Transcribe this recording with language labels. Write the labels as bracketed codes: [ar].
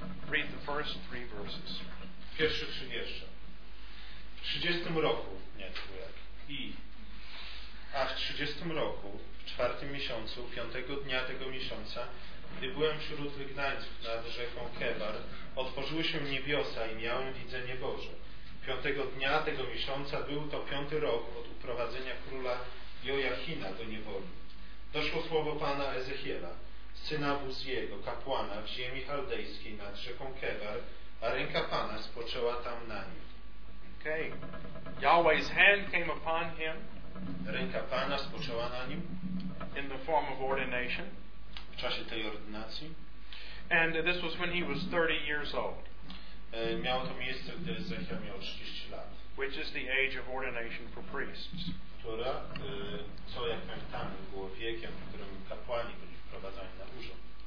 [en] Read the first three verses. [pl] Pierwsze trzy wiersze. W 30 roku, nie tylko jak, a w 30 roku, w czwartym miesiącu, piątego dnia tego miesiąca, gdy byłem wśród wygnańców nad rzeką Kebar, otworzyły się niebiosa i miałem widzenie Boże. Piątego dnia tego miesiąca był to piąty rok od uprowadzenia króla Jojachina do niewoli. Doszło słowo Pana Ezechiela, syna Buziego, kapłana w ziemi chaldejskiej nad rzeką Kebar, a ręka Pana spoczęła tam na nim. [en] Okay. Yahweh's hand came upon him. [pl] Ręka Pana spoczęła na nim. [en] In the form of ordination. [pl] W czasie tej ordynacji. [en] And this was when he was 30 years old. [pl] Miało to miejsce, gdy Ezechiel miał 30 lat. [en] We which is the age of ordination for priests. [pl] Która, co jak pamiętamy, było wiekiem, w którym kapłani byli wprowadzani na urząd.